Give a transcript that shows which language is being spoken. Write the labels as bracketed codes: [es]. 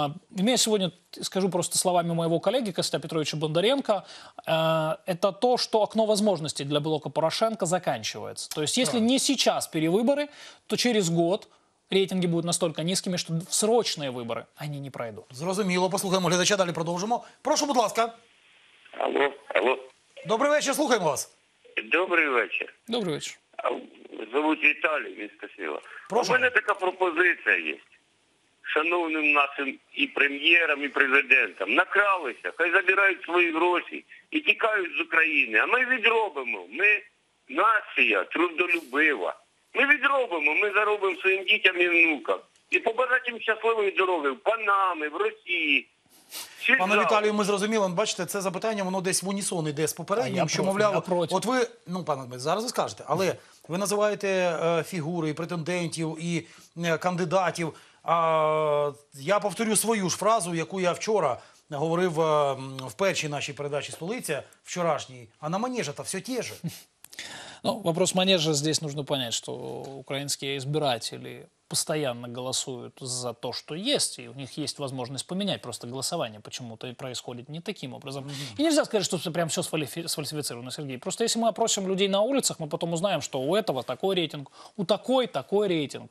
[ru] Имея сегодня, скажу просто словами моего коллеги Костя Петровича Бондаренко, это то, что окно возможностей для блока Порошенко заканчивается. То есть если не сейчас перевыборы, то через год рейтинги будут настолько низкими, что в срочные выборы они не пройдут. [uk] Зрозуміло, послухаємо глядача, далі продовжимо. Прошу, будь ласка. Алло, алло. Добрий вечір, слухаємо вас. Добрий вечір. Добрий вечір. Зовут Віталій, місто Сіла. Прошу. У мене така пропозиція є. Шановним нашим і прем'єрам, і президентам. Накралися, хай забирають свої гроші і тікають з України. А ми відробимо. Ми нація трудолюбива. Ми відробимо, ми заробимо своїм дітям і внукам. І побажати їм щасливої дороги в Панамі, в Росії. Пане Віталію, ми зрозуміли, бачите, це запитання, воно десь в унісон іде з попереднім, що, мовляв, от ви, ну, пане Дмитро, зараз ви скажете, але ви називаєте фігури і претендентів, і кандидатів. Я повторю свою ж фразу, яку я вчора говорив в першій нашій передачі «Столиця», вчорашній, а на манежі та все те ж. [ru] Ну, вопрос манежа, здесь нужно понять, что украинские избиратели постоянно голосуют за то, что есть, и у них есть возможность поменять просто голосование, почему-то и происходит не таким образом. Mm-hmm. И нельзя сказать, что прям все сфальсифицировано, Сергей. Просто если мы опросим людей на улицах, мы потом узнаем, что у этого такой рейтинг, у такой такой рейтинг.